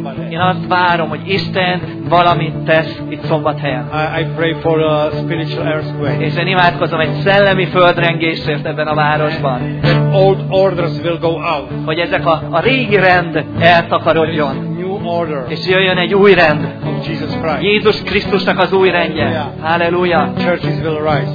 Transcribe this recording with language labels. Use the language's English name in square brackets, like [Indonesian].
[Hungarian] Én azt várom, hogy Isten valamit tesz itt Szombathelyen. [English] I pray for a spiritual earthquake. [Hungarian] És én imádkozom egy szellemi földrengésért ebben a városban. [English] Old orders will go out. [Hungarian] Hogy ezek a régi rend eltakarodjon. [English] New order. [Hungarian] És jöjjön egy új rend. [English] Jesus Christ. [Hungarian] Jézus Krisztusnak az új rendje. Halleluja. [English] Churches will rise.